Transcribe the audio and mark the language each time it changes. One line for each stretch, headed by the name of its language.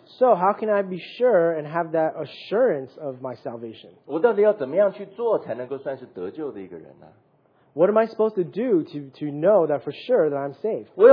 English: So how can I be sure and have that assurance of my salvation?
Chinese: 我到底要怎么样去做才能够算是得救的一个人呢?
English: What am I supposed to do to know that for sure that I'm saved?